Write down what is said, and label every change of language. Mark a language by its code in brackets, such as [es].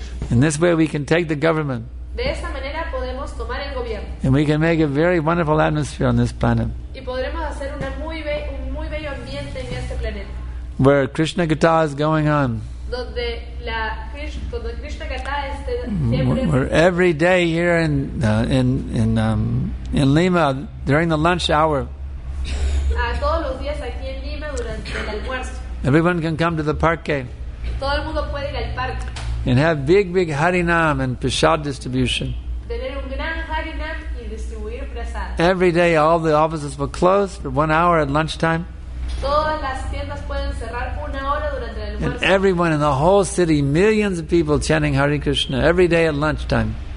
[en] In this way, we can take the government. [es] De esa manera podemos tomar el gobierno. [en] And we can make a very wonderful atmosphere on this planet. [es] Y podremos hacer una muy bello ambiente en este planeta. [en] Where Krishna Gita is going on. [es] Donde la Krishna Gita esté siempre. [en] Where every day here in Lima during the lunch hour. [es] Todos los días aquí en Lima durante el almuerzo. [en] Everyone can come to the parque. [es] Todo el mundo puede ir al parque. [en] And have big, big Harinam and Prasad distribution. [es] Tener un gran Harinam y distribuir Prasad. [en] Every day all the offices will close for 1 hour at lunchtime. [es] Todas las tiendas pueden cerrar una hora durante el almuerzo. [en] And everyone in the whole city, millions of people chanting Hare Krishna every day at lunchtime.